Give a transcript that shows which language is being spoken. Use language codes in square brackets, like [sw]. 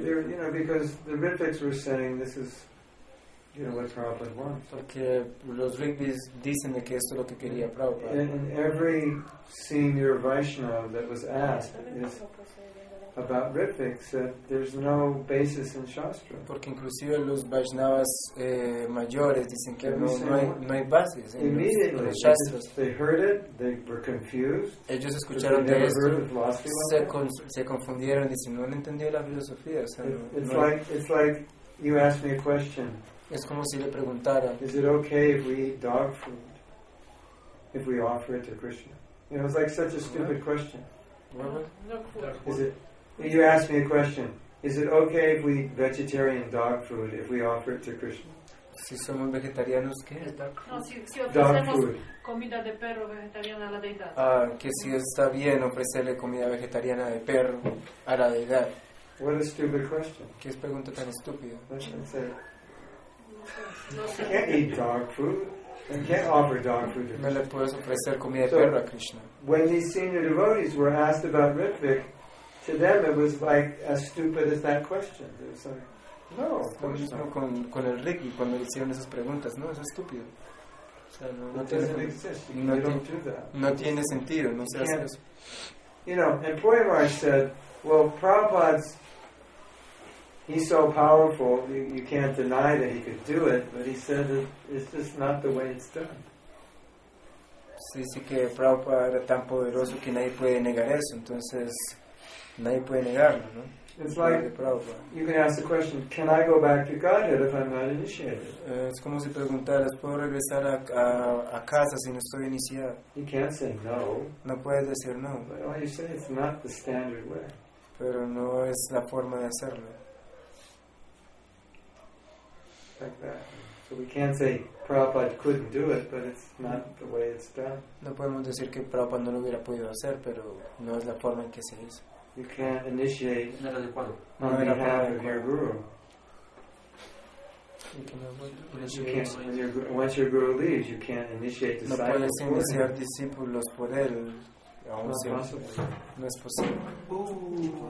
[en] You know, because the Ritviks were saying this is, you know, what Prabhupada wants. [es] Porque los Ritviks dicen que esto es lo que quería Prabhupada. [en] And every senior Vaishnava that was asked is about Ritvik said there's no basis in Shastra. [es] Porque inclusive los Vaishnavas mayores dicen que no hay bases en los Shastras. [en] They heard it, they were confused. [es] Ellos escucharon de esto, se confundieron, dicen, no han entendido la filosofía. O sea, [en] it's like you ask me a question. [es] Es como si le preguntara. [en] Is it okay if we eat dog food if we offer it to Krishna? You know, it's like such a stupid Question. What? Is it? You ask me a question. Is it okay if we eat vegetarian dog food if we offer it to Krishna? [es] Si somos vegetarianos, ¿qué? [en] Dog food. [es] Comida de perro vegetariana a la deidad. Ah, que si está bien ofrecerle comida vegetariana de perro a la deidad. [en] What a stupid question. [es] ¿Qué es pregunta tan estúpida? [en] I can't eat dog food. I can't offer dog food to Krishna. [es] No le puedes ofrecer comida de perro a Krishna. [en] When these senior devotees were asked about Ritvik, to them it was like as stupid as that question. It was like, no. [es] Con el Ricky cuando le hicieron esas preguntas, no, es estúpido. O sea, no tiene sentido. No [en] don't do that. [es] No tiene sentido. No se hace eso. [en] You know, and Poyamar said, well, Prabhupada's, he's so powerful, you can't deny that he could do it, but he said that it's just not the way it's done. [es] Sí, que Prabhupada era tan poderoso que nadie puede negar eso, entonces nadie puede negarlo, ¿no? [en] It's like you can ask the question, can I go back to Godhead if I'm not initiated? [es] Es como si preguntaras, ¿puedo regresar a casa si no estoy iniciado? [en] You can't say no. [es] No puedes decir no. [en] But all you say, it's not the standard way. Pero no es la forma de hacerlo. Like that. So we can't say Prabhupada couldn't do it, but it's not the way it's done. [es] No podemos decir que Prabhupada no lo hubiera podido hacer, pero no es la forma en que se hizo. [en] You can't initiate on behalf of your guru. Once your guru leaves, you can't initiate disciples. [es] No puedes iniciar discípulos por él. No es posible.